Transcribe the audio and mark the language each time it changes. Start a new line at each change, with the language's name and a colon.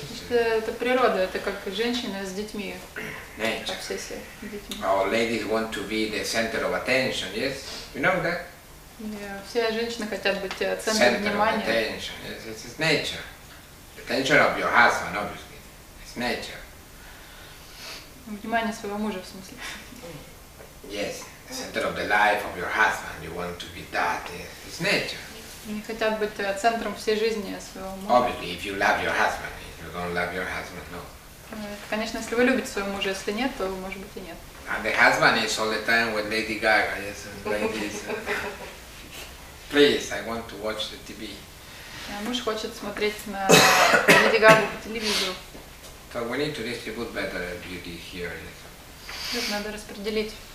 Russian: Это природа, это как женщина с детьми.
English: Nature. Our ladies want to be the center of attention, yes? You know that?
Russian: Yeah, все женщины хотят быть центром внимания.
English: Center of attention, yes, it's nature. Attention of your husband, obviously. Nature.
Russian: Внимание своего мужа, в смысле.
English: Yes, the center of the life of your husband. You want to be that. It's nature.
Russian: Они хотят быть центром всей жизни своего мужа.
English: Obviously, if you love your husband, if you don't love your husband, no.
Russian: Конечно, если вы любите своего мужа, если нет, то может быть и нет.
English: And the husband is all the time with Lady Gaga. Yes, and this. Please, I want to watch the TV.
Russian: Муж хочет смотреть на Lady Gaga по телевизору.
English: So we need to distribute better beauty here. Yes.
Russian: Надо распределить.